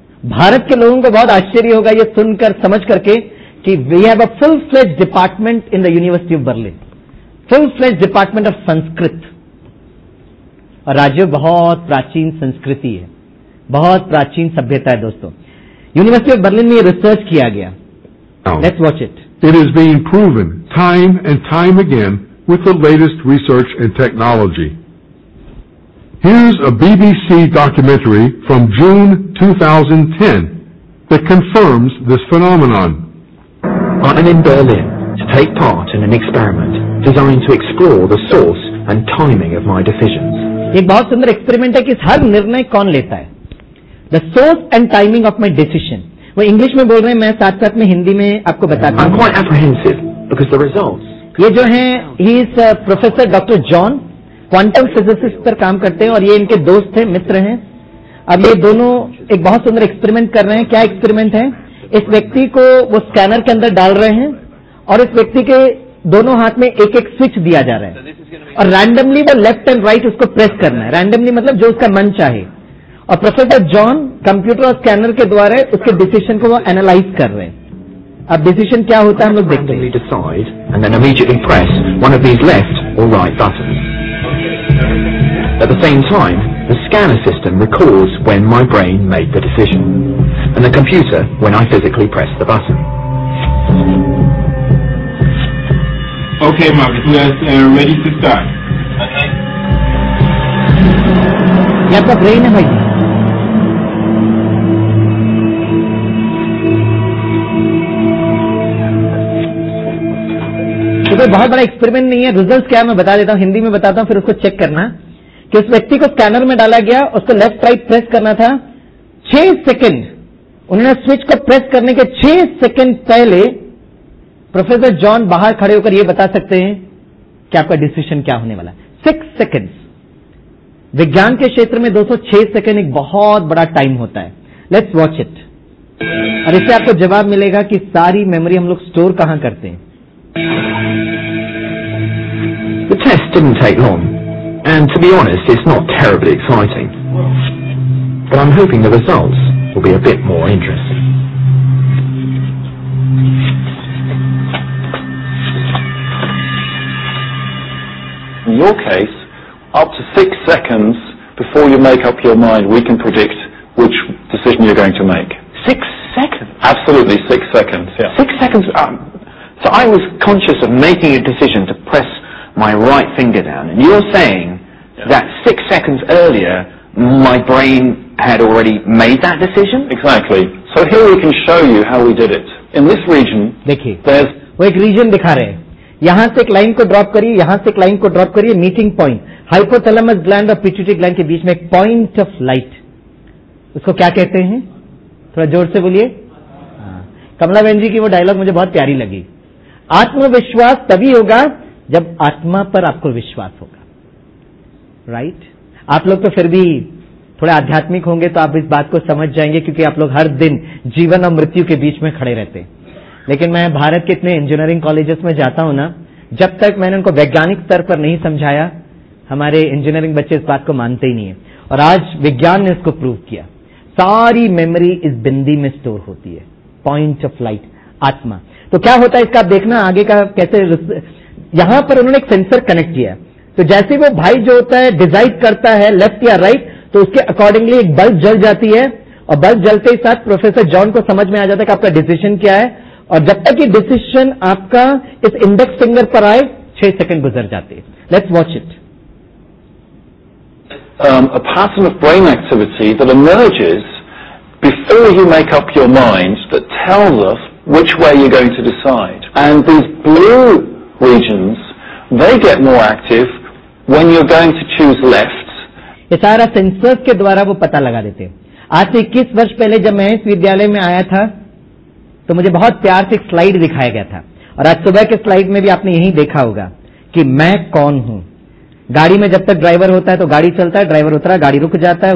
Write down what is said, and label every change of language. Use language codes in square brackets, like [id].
[hi] भारत के लोगों को बहुत आश्चर्य होगा ये सुनकर, समझ करके, कि [en] We have a full fledged department in the university of Berlin, full fledged department of Sanskrit. [hi] और राज्य बहुत प्राचीन संस्कृति है, बहुत प्राचीन सभ्यता है दोस्तों. यूनिवर्सिटी ऑफ बर्लिन में यह रिसर्च किया गया. [en] Let's watch it. It is being proven time and time again with the latest research and technology. Here's a BBC documentary from June 2010 that confirms this phenomenon. I'm in Berlin to take part in an experiment designed to explore the source and timing of my decisions. [hi] एक बहुत सुंदर experiment है कि हर निर्णय कौन लेता है. [en] The source and timing of my decision. [hi] वो इंग्लिश में बोल रहे हैं, मैं साथ साथ में हिंदी में आपको बताता हूं. [en] I'm quite apprehensive because the results. [hi] ये जो है, [en] he is professor doctor John, [hi] quantum physicist पर काम करते हैं और ये इनके दोस्त हैं, मित्र हैं. अब ये दोनों एक बहुत सुंदर एक्सपेरिमेंट कर रहे हैं. क्या एक्सपेरिमेंट है? इस व्यक्ति को वो स्कैनर के अंदर डाल रहे हैं और इस व्यक्ति के दोनों हाथ में एक एक स्विच दिया जा रहा है और रैंडमली वो [en] left and right [hi] उसको प्रेस करना है. रैंडमली मतलब जो उसका मन चाहे. और प्रोफेसर जॉन कंप्यूटर और स्कैनर के द्वारा उसके डिसीजन को वो एनालाइज कर रहे हैं. अब डिसीजन क्या होता है हम लोग देखते हैं. [en] Decide and then immediately press one of these left और right buttons. At the same time the scanner system records when my brain made the decision and the computer when I physically press the button. Okay, Marcus, you guys are ready to start. Okay. You have a brain, am I? [hi] तो कोई बहुत बड़ा experiment नहीं है. Results क्या है मैं बता देता हूं, हिंदी में बताता हूं, फिर उसको चेक करना. कि उस व्यक्ति को स्कैनर में डाला गया, उसको लेफ्ट राइट प्रेस करना था. 6 सेकंड उन्होंने स्विच को प्रेस करने के 6 सेकंड पहले प्रोफेसर जॉन बाहर खड़े होकर यह बता सकते हैं कि आपका डिसीजन क्या होने वाला है. 6 सेकंड. विज्ञान के क्षेत्र में 206 सेकंड एक बहुत बड़ा टाइम होता है. [en] Let's watch it. [hi] और इससे आपको जवाब मिलेगा कि सारी मेमोरी हम लोग स्टोर कहां करते हैं. [en] The test didn't take long, and to be honest, it's not terribly exciting. But I'm hoping the results will be a bit more interesting. In your case, up to 6 seconds before you make up your mind, we can predict which decision you're going to make. 6 seconds? Absolutely, 6 seconds, yeah. 6 seconds? So I was conscious of making a decision to press my right finger down, and you're saying that 6 seconds earlier, my brain had already made that decision? Exactly. So here we can show you how we did it. In this region, [hi] देखिए, [en] there's [hi] वो एक region दिखा रहे हैं. यहाँ से एक line को drop करिए, यहाँ से एक line को drop करिए. Meeting point, hypothalamus gland और pituitary gland के बीच में एक [en] point of light. [hi] उसको क्या कहते हैं? थोड़ा जोर से बोलिए. कमला बहन जी की वो डायलॉग मुझे बहुत प्यारी लगी. आत्मविश्वास तभी होगा जब आत्मा पर आपको विश्वास होगा, राइट? आप लोग तो फिर भी थोड़े आध्यात्मिक होंगे तो आप इस बात को समझ जाएंगे, क्योंकि आप लोग हर दिन जीवन और मृत्यु के बीच में खड़े रहते हैं. लेकिन मैं भारत के इतने इंजीनियरिंग कॉलेजेस में जाता हूं ना, जब तक मैंने उनको वैज्ञानिक स्तर पर नहीं समझाया, हमारे इंजीनियरिंग बच्चे इस बात को मानते ही नहीं है. और आज विज्ञान ने इसको प्रूव किया. सारी मेमोरी इस बिंदी में स्टोर होती है, [en] point of light, [hi] आत्मा. तो क्या होता है इसका देखना आगे का कैसे. यहां पर उन्होंने एक सेंसर कनेक्ट किया, तो जैसे वो भाई जो होता है डिसाइड करता है लेफ्ट या राइट, तो उसके अकॉर्डिंगली एक बल्ब जल जाती है. और बल्ब जलते ही साथ प्रोफेसर जॉन को समझ में आ जाता है कि आपका डिसीजन क्या है. और जब तक ये डिसीशन आपका इस इंडेक्स फिंगर पर आए 6 सेकंड गुजर जाते हैं. [en] Let's watch it. A pattern of brain activity that emerges before you make up your mind that tells us which way you're going to decide. And these blue regions, they get more active when you're going to choose left. [hi] ये सारा sensors के द्वारा वो पता लगा देते हैं. आज से 21 वर्ष पहले जब मैं इस विद्यालय में आया था तो मुझे बहुत प्यार से एक स्लाइड दिखाया गया था, और आज सुबह के स्लाइड में भी आपने यही देखा होगा कि मैं कौन हूं. गाड़ी में जब तक ड्राइवर होता है तो गाड़ी चलता है, ड्राइवर उतरा गाड़ी रुक जाता है.